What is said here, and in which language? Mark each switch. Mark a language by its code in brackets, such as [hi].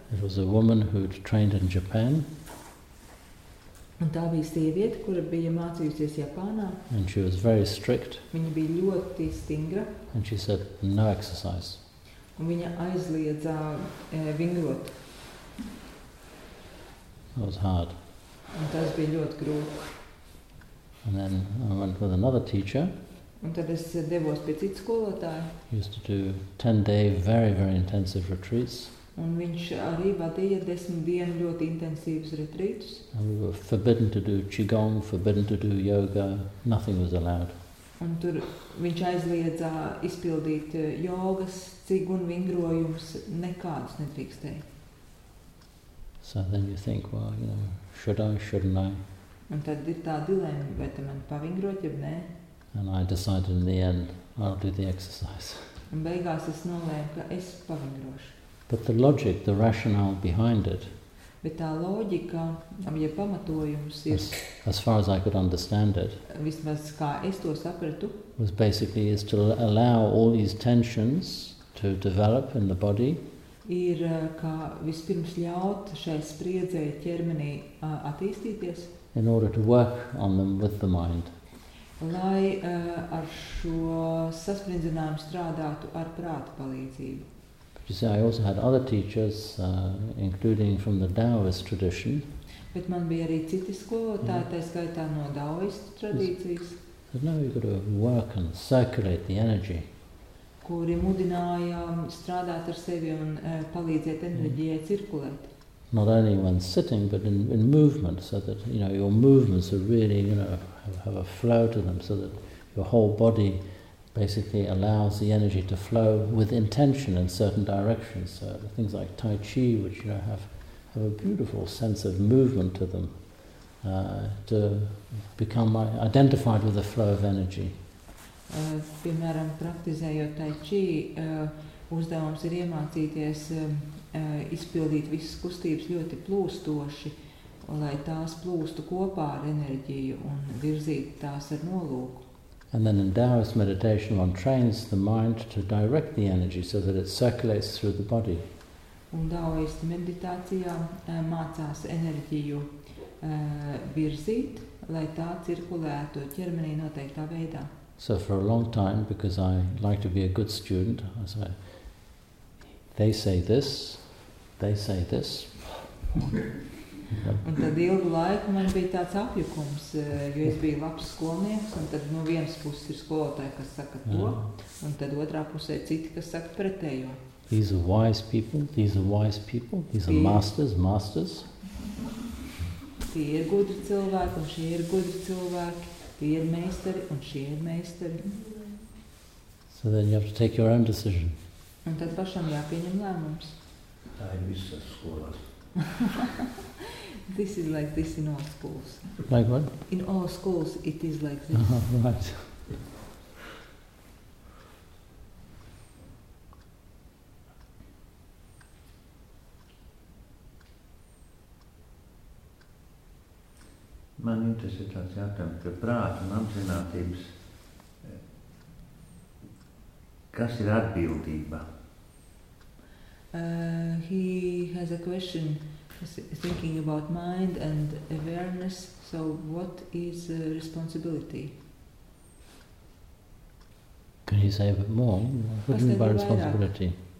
[en] It was a woman who'd trained in Japan. [lv] Un tā bija sieviete, kura bija mācījusies Japānā. [en] And she was very strict. [lv] Viņa bija ļoti stingra. [en] And she said, no exercise. [lv] Un viņa aizliedza vingrot. [en] That was hard. [lv] Un tas bija ļoti grūti. [en] And then I went with another teacher. [lv] Un tad es devos pie citu skolotāju. [en] Used to do 10-day very, very intensive retreats. [lv] Un viņš arī vadīja 10 dienu ļoti intensīvus retrītus. [en] We were forbidden to do qigong, forbidden to do yoga, nothing was allowed. [lv] Un tur viņš aizliedza izpildīt jogas, cigun vingrojumus, nekādus nedrīkstēja. [en] So then you think, well, you know, should I, shouldn't I? [lv] Un tad ir tā dilēma, vai tu man pavingrot, jeb nē? [en] And I decided in the end, I'll do the exercise. [lv] Un beigās es nolēmu, ka es pavingrošu. [en] But the logic, the rationale behind it, [lv] bet tā loģika, ja pamatojums ir, [en] as far as I could understand it, [lv] vismaz kā es to sapratu, [en] was basically is to allow all these tensions to develop in the body, [lv] ir kā vispirms ļaut šai spriedzei ķermenī attīstīties, [en] in order to work on them with the mind. [lv] Lai ar šo saspriedzinājumu strādātu ar prāta palīdzību. [en] You see, I also had other teachers, including from the Taoist tradition. [lv] Bet man bija arī citi skolotāji, tā skaitā no Taoistu tradīcijas. [en] But now you've got to work and circulate the energy. [lv] Kuri mudināja strādāt ar sevi un palīdzēt enerģijai cirkulēt. [en] Not only when sitting, but in movement, so that, you know, your movements are really, you know, have a flow to them, so that your whole body basically allows the energy to flow with intention in certain directions. So the things like Tai Chi, which, you know, have a beautiful sense of movement to them, to become identified with the flow of energy. [lv] Piemēram, praktizējot Tai Chi, uzdevums ir iemācīties izpildīt visas kustības ļoti plūstoši, lai tās plūstu kopā ar enerģiju un virzīt tās ar nolūku. [en] And then in Taoist meditation, one trains the mind to direct the energy so that it circulates through the body. [lv] Un Taoist meditācijā mācās enerģiju virzīt, lai tā cirkulētu ķermenī noteiktā veidā. [en] So for a long time, because I like to be a good student, I say, they say this, they say this. [lv] Un tad ilgu laiku man bija tāds apjukums, jo es biju labs skolnieks, un tad no vienas puses ir skolotāji, kas saka to, un tad otrā pusē citi, kas saka pretējo. [en] These are wise people, these are wise people, these are masters, masters. [lv] Tie ir gudri cilvēki, un šie ir gudri cilvēki, tie ir meisteri, un šie ir meisteri. [en] So then you have to take your own decision. [lv] Un tad pašam jāpieņem lēmums. Tā ir visas skolās. [en] This is like this in all schools. Like what? In all schools, it is like this. Uh-huh, right. [lv] Man interesē tāds jautājums, ka prāta un apzinātības, kas ir atbildība? [en] He has a question. Thinking about mind and awareness, so what is responsibility? Can you say a bit more? What do you mean by responsibility?